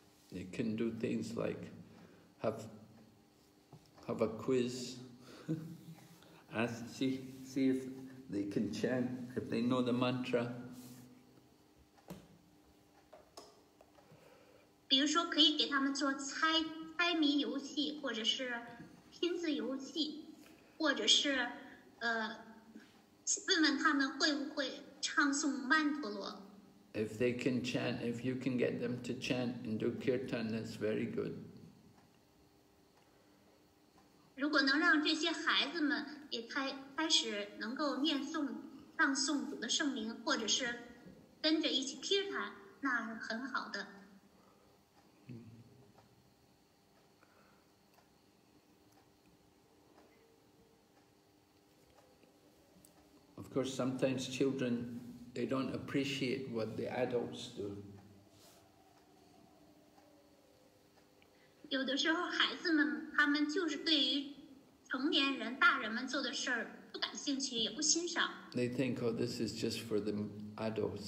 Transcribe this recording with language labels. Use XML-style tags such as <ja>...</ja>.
<en>You can do things like have a quiz, ask, see if they can chant, if they know the mantra.</en> <zh>比如说可以给他们做 猜谜游戏，或者是拼字游戏，或者是问问他们会不会唱诵曼陀罗。</zh> <en>If they can chant, if you can get them to chant and do kirtan, that's very good.</en> <zh>如果能让这些孩子们也开始能够念诵唱诵主的圣名，或者是跟着一起 kirtan, 那是很好的。</zh> <en>Of course, sometimes children, they don't appreciate what the adults do.</en> <zh>有的时候孩子们他们就是对于成年人大人们做的事儿不感兴趣，也不欣赏。</zh> <en>They think, oh, this is just for the adults.</en>